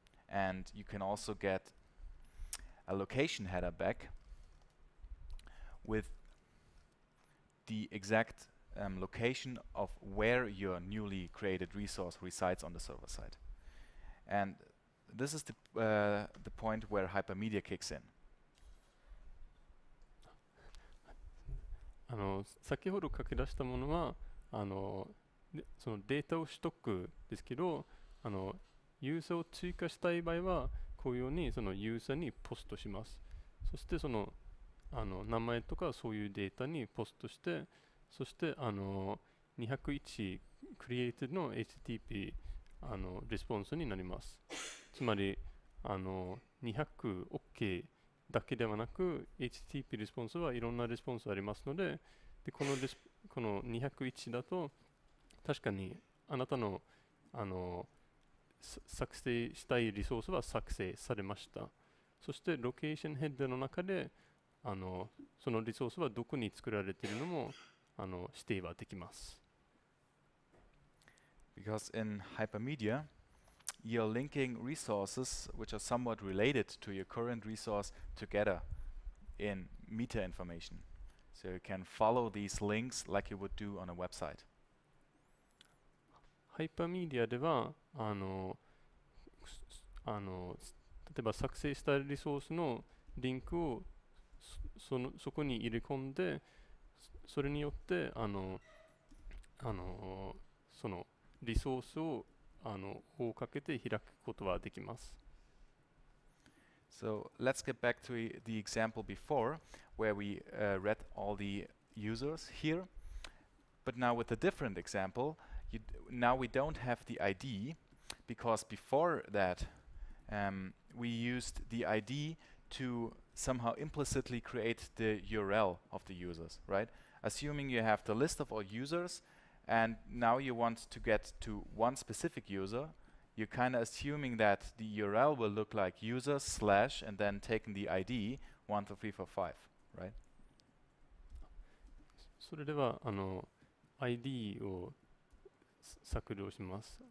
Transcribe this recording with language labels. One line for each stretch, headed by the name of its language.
English: And you can also get a location header back with the exact location of where your newly created resource resides on the server side. And this is the point where Hypermedia kicks in.
Japanese: 先ほど書き出したものはそのデータを取得ですけど、ユーザーを追加したい場合はこういうようにそのユーザーにポストします。そしてその名前とかそういうデータにポストして、そして201 created の HTTP レスポンスになります。つまり200OK だけではなく HTTP レスポンスはいろんなレスポンスありますの で、この201だと確かにあなたの作成したいリソースは作成されました。そしてロケーションヘッダーの中でそのリソースはどこに作られているのも指定はできます。
English: Because in Hypermedia you're linking resources which are somewhat related to your current resource together in meta information, so you can follow these links like you would do on a website.
Japanese: Hypermedia ではあの例えば作成したリソースのリンクを そこに入れ込んで、それによってそのリソースを追っかけて開くことはできます。
English: So let's get back to the example before, where we read all the users here. But now with a different example, now we don't have the ID, because before that we used the ID to somehow implicitly create the URL of the users, right? Assuming you have the list of all users, and now you want to get to one specific user, you're kind of assuming that the URL will look like user slash and then taking the ID 12345, right?
Japanese: それではあの ID を削除します。